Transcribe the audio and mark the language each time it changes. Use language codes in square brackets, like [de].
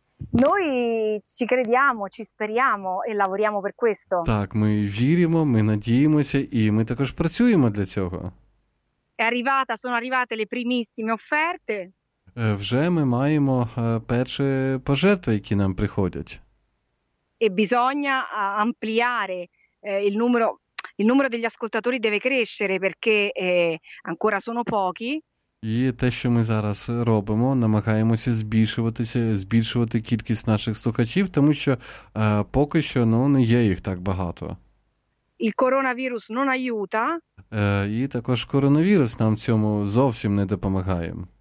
[it] Noi ci crediamo, ci speriamo e lavoriamo per questo. [uk] Так, ми віримо, ми надіємося і ми також працюємо для цього. [it] È arrivata, sono arrivate le primissime offerte. [uk] Вже ми маємо перші пожертви, які нам приходять. [it] E bisogna ampliare il numero degli ascoltatori deve crescere perché ancora sono pochi. [uk] І те, що ми зараз робимо, намагаємося збільшуватися, збільшувати кількість наших слухачів, тому що поки що не є їх так багато. [it] Il coronavirus non aiuta. [uk] І також коронавірус нам цьому зовсім не допомагає.